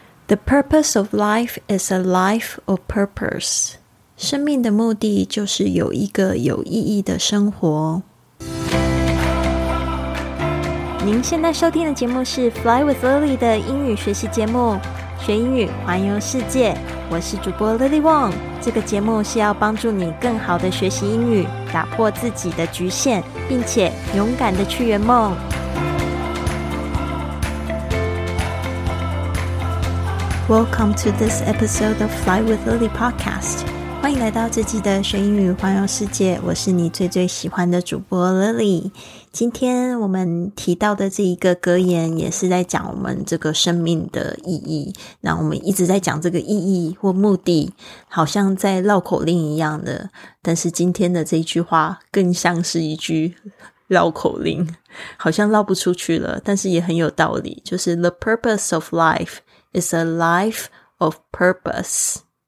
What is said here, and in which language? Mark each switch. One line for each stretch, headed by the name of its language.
English: The purpose of life is a life of purpose.
Chinese: 生命的目的就是有一个有意义的生活。您现在收听的节目是 Fly with Lily 的英语学习节目，学英语，环游世界。我是主播 Lily Wong。这个节目是要帮助你更好的学习英语，打破自己的局限，并且勇敢的去圆梦。
English: Welcome to this episode of Fly with Lily podcast.
Chinese: 欢迎来到这集的学英语环游世界，我是你最最喜欢的主播 Lily。今天我们提到的这一个格言也是在讲我们这个生命的意义，那我们一直在讲这个意义或目的，好像在绕口令一样的，但是今天的这一句话更像是一句绕口令，好像绕不出去了，但是也很有道理，就是
English: The purpose of lifeIs a life of purpose.